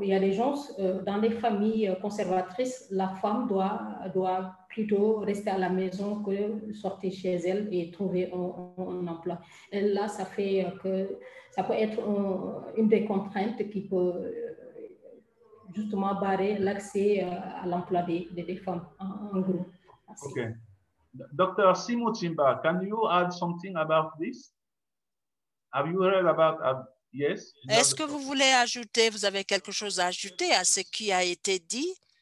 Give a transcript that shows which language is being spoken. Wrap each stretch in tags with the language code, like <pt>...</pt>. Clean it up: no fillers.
<fr>Il y a des gens dans les familles conservatrices, la femme doit plutôt rester à la maison que sortir chez elle et trouver un emploi. Et là, ça fait que ça peut être une des contraintes qui peut justement barrer l'accès à l'emploi des femmes en gros. Merci. Ok. Dr.</fr> <en>Simo Chimba, can you add something about this? Have you heard about yes?</en> <fr>Est-ce que vous voulez ajouter, vous avez quelque chose à ajouter à ce qui a été dit?</fr>